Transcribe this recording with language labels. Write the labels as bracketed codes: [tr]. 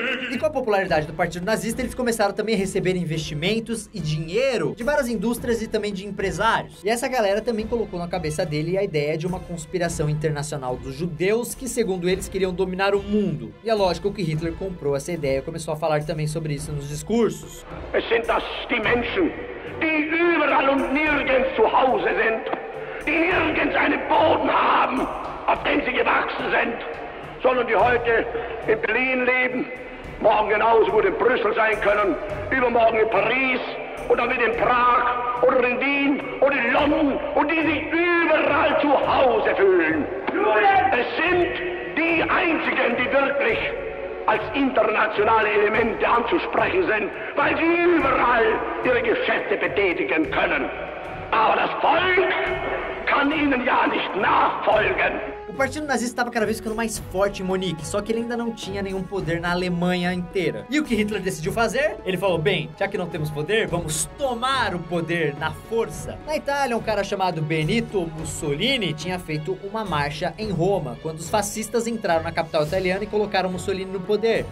[pt] E com a popularidade do Partido Nazista, eles começaram também a receber investimentos e dinheiro de várias indústrias e também de empresários. E essa galera também colocou na cabeça dele a ideia de uma conspiração internacional dos judeus que, segundo eles, queriam dominar o mundo. E é lógico que Hitler comprou essa ideia e começou a falar também sobre isso nos discursos. [de] Es sind das die Menschen, die überall und nirgends zu Hause sind, die nirgends einen Boden haben, auf den sie gewachsen sind, sondern die heute in Berlin leben. Morgen genauso gut in Brüssel sein können, übermorgen in Paris und dann wieder in Prag oder in Wien oder in London und die sich überall zu Hause fühlen. Es sind die einzigen, die wirklich als internationale Elemente anzusprechen sind, weil sie überall ihre Geschäfte betätigen können. Aber das Volk kann ihnen ja nicht nachfolgen. [pt] O Partido Nazista estava cada vez ficando mais forte em Munique, só que ele ainda não tinha nenhum poder na Alemanha inteira. E o que Hitler decidiu fazer? Ele falou, bem, já que não temos poder, vamos tomar o poder na força. Na Itália, um cara chamado Benito Mussolini tinha feito uma marcha em Roma, quando os fascistas entraram na capital italiana e colocaram Mussolini no poder.